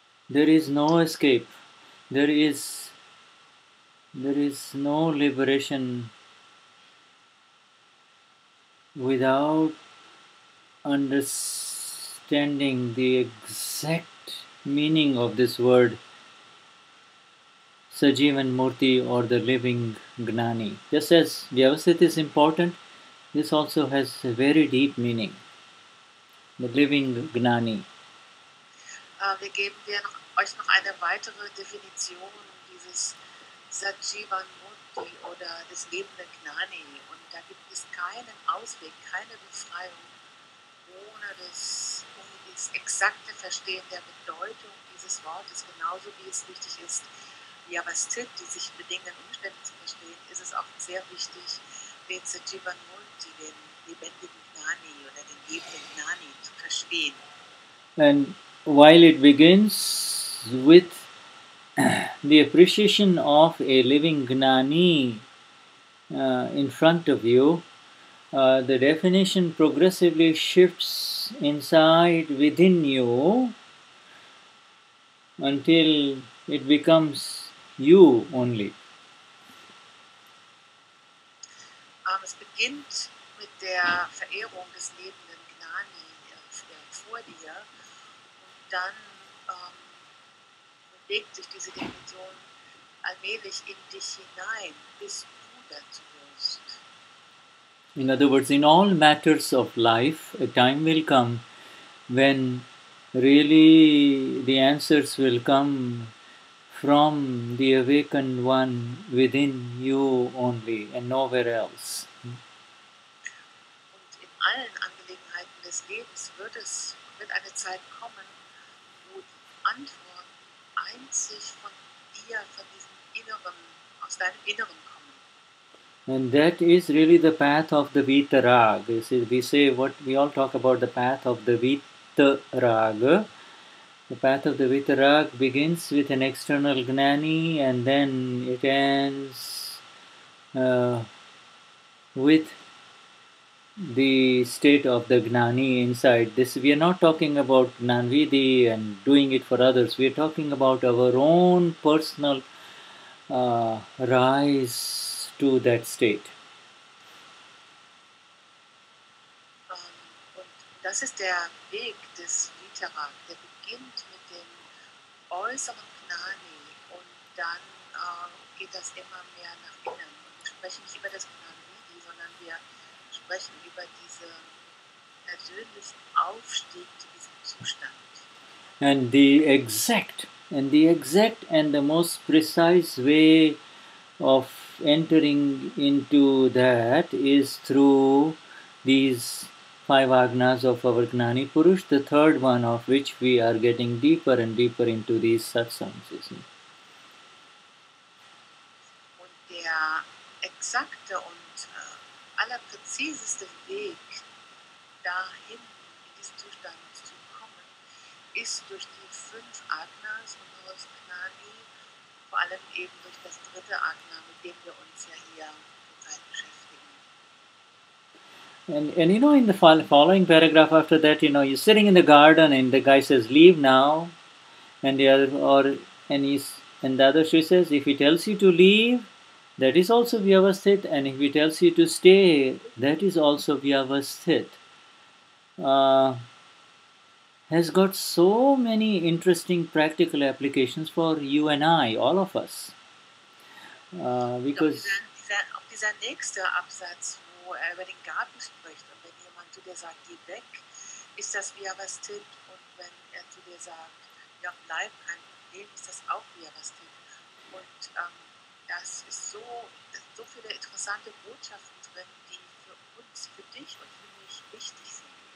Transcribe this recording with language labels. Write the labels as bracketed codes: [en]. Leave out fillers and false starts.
[en] There is no escape. There is no liberation without understanding the exact meaning of this word, Sajivan Murti or the living Gnani. Just as Vyavasthit is important, this also has a very deep meaning, the living Gnani. [de] Wir geben euch noch eine weitere Definition dieses Sajivan Murti oder des lebenden Gnani. Und da gibt es keinen Ausweg, keine Befreiung. Ohne das exakte Verstehen der Bedeutung dieses Wortes, genauso wie es wichtig ist, Vyavasthit, die sich bedingenden Umständen zu verstehen, ist es auch sehr wichtig, den Sajivan Murti, den lebendigen Gnani oder den lebenden Gnani zu verstehen. [en] And while it begins with the appreciation of a living Gnani in front of you, the definition progressively shifts inside within you until it becomes you only. [de] Es beginnt mit der Verehrung des lebenden Gnani vor dir und dann bewegt sich diese Definition allmählich in dich hinein, bis du dazu wirst. [en] In other words, in all matters of life, a time will come when really the answers will come from the awakened one within you only and nowhere else. [de] Und in allen Angelegenheiten des Lebens wird eine Zeit kommen, wo die Antworten einzig von dir, von diesem Inneren, aus deinem Inneren kommen. [en] And that is really the path of the Vitarag. You see, we say what we all talk about the path of the Vitarag. The path of the Vitarag begins with an external Gnani and then it ends with the state of the Gnani inside. This we are not talking about Gnanvidhi and doing it for others. We are talking about our own personal rise to that state. [de] Und das ist der Weg des Vitarag, der beginnt mit dem äußeren Gnani und dann geht das immer mehr nach innen. Und wir sprechen nicht über das Gnani, sondern wir sprechen über diesen persönlichen Aufstieg zu diesem Zustand. [en] And the exact and the most precise way of entering into that is through these five agnas of our Gnani Purush, the third one of which we are getting deeper and deeper into these satsangs, isn't it? [de] Exakte und allerpräziseste Weg dahin, in diesen Zustand zu kommen, ist durch die fünf Agnas und aus Gnani, vor allem eben durch das dritte Agna, mit dem wir uns ja hier beschäftigen. [en] And you know, in the following paragraph after that, you know, you're sitting in the garden and the guy says, leave now, and the other, or, and he's, and the other, she says, if he tells you to leave, that is also Vyavasthit, and if he tells you to stay, that is also Vyavasthit. Has got so many interesting practical applications for you and I, all of us. Because [de] auf dieser nächste Absatz, wo er über den Garten spricht, und wenn jemand zu dir sagt, geh weg, ist das Vyavasthit, und wenn er zu dir sagt, ja, bleib, kein Problem, ist das auch Vyavasthit. Und das ist so, so viele interessante Botschaften drin, die für uns, für dich und für mich wichtig sind.